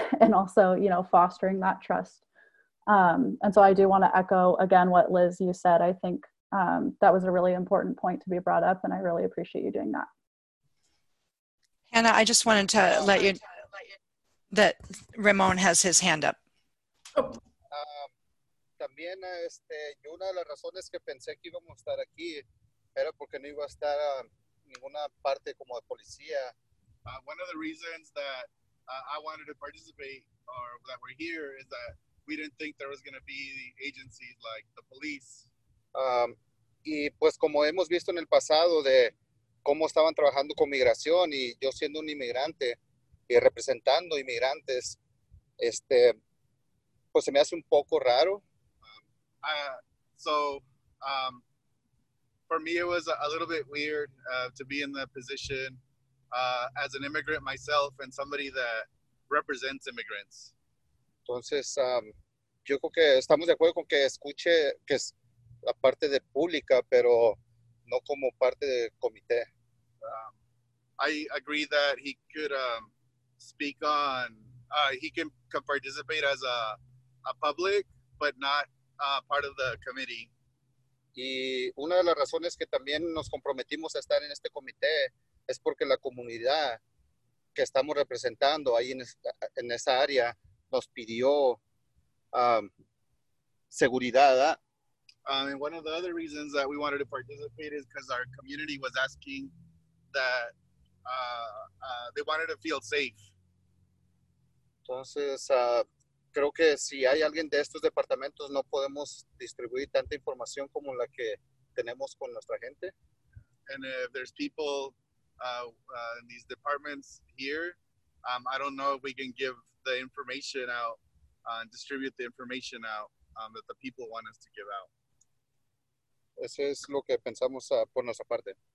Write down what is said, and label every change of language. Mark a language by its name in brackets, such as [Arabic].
[English] And also, you know, fostering that trust. And so I do want to echo again what Liz, you said. I think that was a really important point to be brought up, and I really appreciate you doing that. Hannah, I just wanted to let you that Ramon has his hand up. [Spanish] También, y una de las razones que pensé que íbamos a estar aquí era porque no iba a estar ninguna parte como de policía. [English] One of the reasons that I wanted to participate or that we're here is that we didn't think there was going to be the agencies like the police. [Spanish] Y pues como hemos visto en el pasado de cómo estaban trabajando con migración y yo siendo un inmigrante y representando inmigrantes, pues se me hace un poco raro. [English] So for me, it was a little bit weird to be in the position as an immigrant myself and somebody that represents immigrants. [Spanish] Entonces, yo creo que estamos de acuerdo con que escuche que es la parte de pública, pero no como parte de comité. [English] I agree that he could speak on, he can participate as a public, but not part of the committee. [Spanish] Y una de las razones que también nos comprometimos a estar en este comité es porque la comunidad que estamos representando ahí en esa área nos pidió seguridad. [English] And one of the other reasons that we wanted to participate is because our community was asking that they wanted to feel safe. [Spanish] Entonces, creo que si hay alguien de estos departamentos, no podemos distribuir tanta información como la que tenemos con nuestra gente. [English] And if there's people in these departments here, I don't know if we can give the information out and distribute the information out that the people want us to give out. [Spanish] Eso es lo que pensamos por nuestra parte.